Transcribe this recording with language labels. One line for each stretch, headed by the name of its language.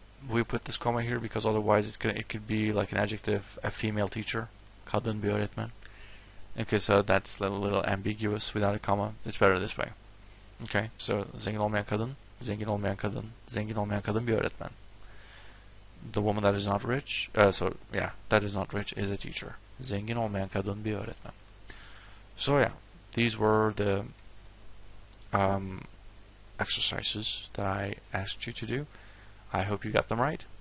English: We put this comma here because otherwise it could be like an adjective, a female teacher,
Turkish: kadın bir öğretmen.
English: Okay, so that's a little ambiguous without a comma. It's better this way.
Turkish: Okay, so zengin olmayan kadın, zengin olmayan kadın, zengin olmayan kadın bir öğretmen.
English: The woman that is not rich, that is not rich is a teacher.
Turkish: Zengin olmayan kadın bir öğretmen.
English: So yeah, these were the exercises that I asked you to do. I hope you got them right.